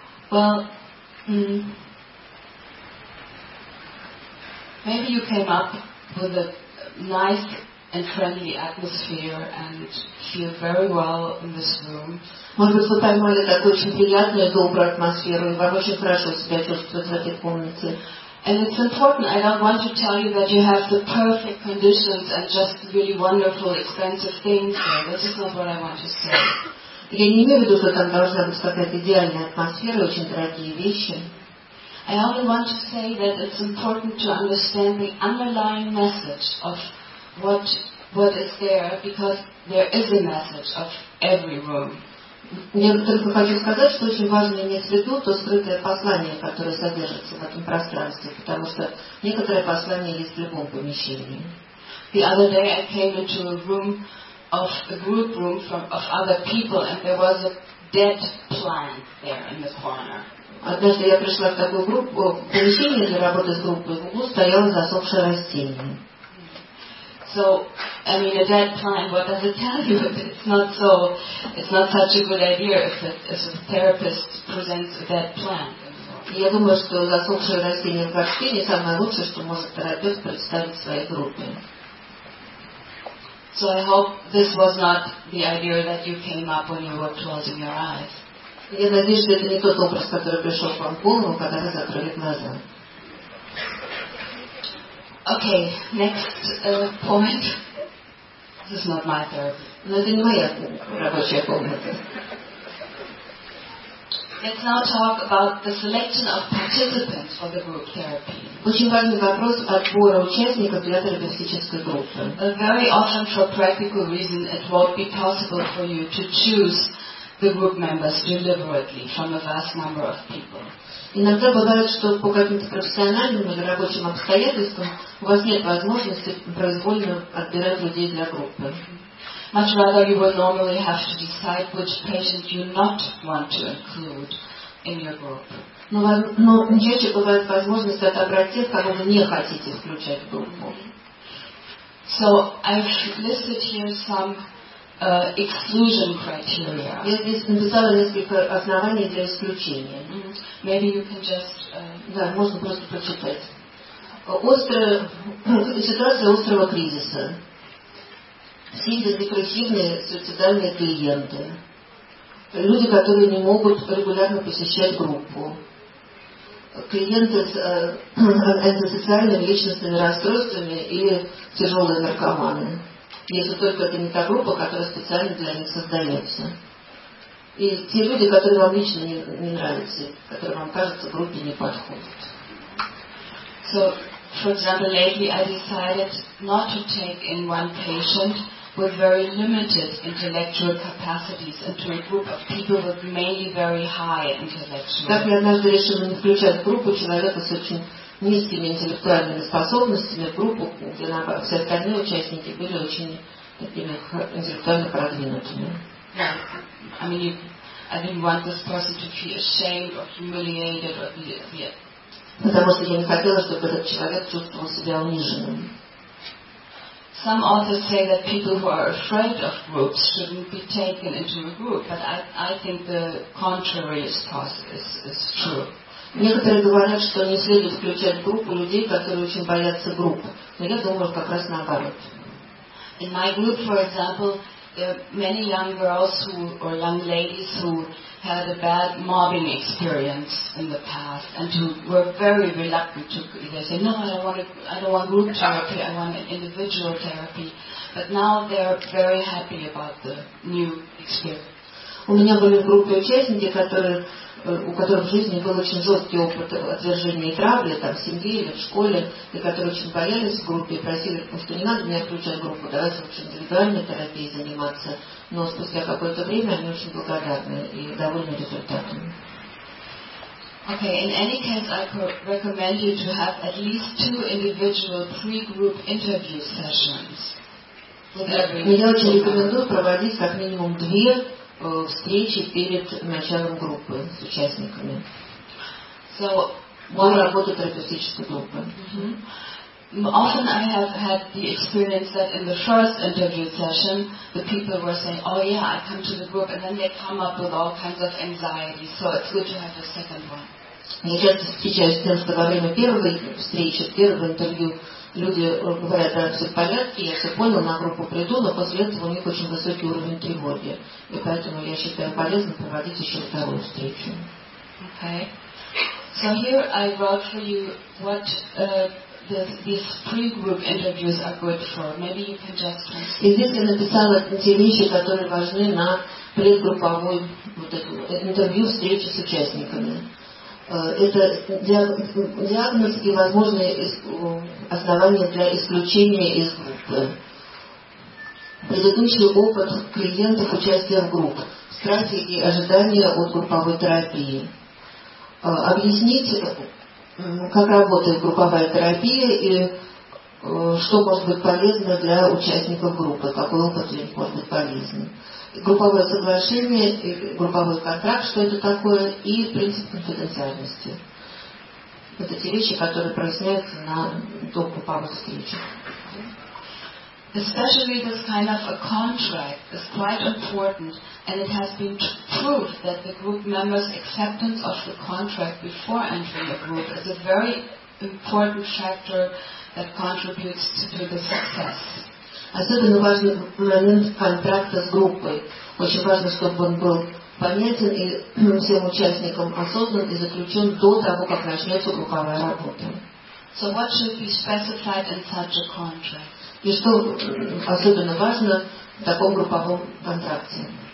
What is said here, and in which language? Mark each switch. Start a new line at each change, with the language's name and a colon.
English: Well, maybe you came up with a nice and friendly atmosphere and feel very well in this room.
Russian: Может быть, вы поймали такую очень приятную, добрую атмосферу, и вам очень хорошо себя чувствовать в этой комнате.
English: And it's important, I don't want to tell you that you have the perfect conditions and just really wonderful, expensive things here. This is not what I want to say.
Russian: Я не имею в виду, что там должна быть какая-то идеальная атмосфера, очень дорогие вещи.
English: I only want to say that it's important to understand the underlying message of what is there, because there is a message of every room.
Russian: Я только хочу сказать, что очень важно иметь в виду то скрытое послание, которое содержится в этом пространстве, потому что некоторое послание есть в любом помещении.
English: The other day I came into a room of a group room from of other people, and there was a dead plant there in the corner.
Russian: Однажды я пришла в такую группу, в помещение для работы с группой, в углу стояло засохшее растение.
English: So, I mean, a dead plant, what does it tell you? It's not such a good idea if a therapist presents a dead plant.
Russian: Я думаю, что засохшее растение в квартире не самое лучшее, что может терапевт представить в своей группе.
English: So I hope this was not the idea that you came up when you were closing your eyes.
Russian: Я надеюсь, что это не тот образ, который пришел к вам в голову, когда вы закрыли глаза.
English: Okay, next point. This is not my therapy.
Russian: Но это не моя рабочая комната.
English: Let's now talk about the selection of participants for the group therapy.
Russian: Очень важный вопрос отбора участников для терапевтической группы.
English: Very often, for practical reasons, it won't be possible for you to choose the group members deliberately from a vast number of people.
Russian: Иногда бывает, что по каким-то профессиональным или рабочим обстоятельствам у вас нет возможности произвольно отбирать людей для группы.
English: Much rather you will normally have to decide which patient you not want to include in your group.
Russian: Но чаще бывает возможность отобрать тех, кого вы не хотите включать в группу.
English: So I've listed here some exclusion criteria.
Russian: Я здесь написала несколько оснований для исключения.
English: Maybe you can just
Russian: да, можно просто прочитать. Острая ситуация острого кризиса. Сильно депрессивные суицидальные клиенты. Люди, которые не могут регулярно посещать группу. Клиенты с антисоциальными личностными расстройствами или тяжелые наркоманы. Если только это не та группа, которая специально для них создается. И те люди, которые вам лично не нравятся, которые вам кажется, группе не подходят.
English: So, for example, lately I decided not to take in one patient with very limited intellectual capacities into a group of people with mainly very high intellectual.
Russian: Так я однажды решила не включать в группу человека с очень низкими интеллектуальными способностями, в группу, где все остальные участники были очень такими интеллектуально продвинутыми.
English: Yeah. I mean, you, I didn't want this person to feel ashamed or humiliated or
Russian: Потому что я не хотела, чтобы этот человек чувствовал себя униженным.
English: Some authors say that people who are afraid of groups shouldn't be taken into a group, but I think the contrary is true.
Russian: Некоторые говорят, что не следует включать в группу людей, которые очень боятся групп. Но я думаю, как раз наоборот.
English: In my group, for example, there are many young girls who, or young ladies who had a bad mobbing experience in the past and who were very reluctant to, they say, no, I don't want group therapy, I want individual therapy. But now they're very happy about the new experience.
Russian: У меня были в группе участники, у которых в жизни был очень жесткий опыт отвержения и травли там, в семье или в школе, и которые очень боялись в группе и просили, что не надо меня включать в группу, давайте лучше индивидуальной терапией заниматься. Но спустя какое-то время они очень благодарны и довольны результатом.
English: Okay, in any case, I recommend you to have at least two individual pre-group interview sessions.
Russian: Я очень рекомендую проводить как минимум две встречи перед началом группы с участниками.
English: So,
Russian: мой работа терапевтической группы.
English: Often I have had the experience that in the first interview session the people were saying, oh yeah, I come to the group, and then they come up with all kinds of anxiety. So it's good to have a second one.
Russian: Я часто встречаюсь с тем, что во время первой встречи, первого интервью люди говорят, да, все в порядке, я все понял, на группу приду, но после этого у них очень высокий уровень тревоги. И поэтому я считаю полезным проводить еще вторую встречу.
English: Okay. So here I wrote for you what these pre-group interviews are good for. Maybe you can just translate.
Russian: И здесь я написала те вещи, которые важны на предгрупповой вот эту интервью, встречу с участниками. Это диагноз и возможные основания для исключения из группы. Предыдущий опыт клиентов участия в групп. Страхи и ожидания от групповой терапии. Объяснить, как работает групповая терапия и что может быть полезно для участников группы, какой опыт может быть полезен. Групповое соглашение, групповой контракт, что это такое, и принцип конфиденциальности. Это те вещи, которые проясняются на групповых встречах.
English: Especially this kind of a contract is quite important, and it has been proved that the group members' acceptance of the contract before entering a group is a very important factor that contributes to the success.
Russian: Особенно важный момент контракта с группой. Очень важно, чтобы он был понятен и всем участникам осознан и заключен до того, как начнется групповая работа.
English: So what should be specified in such a contract?
Russian: И что особенно важно в таком групповом контракте?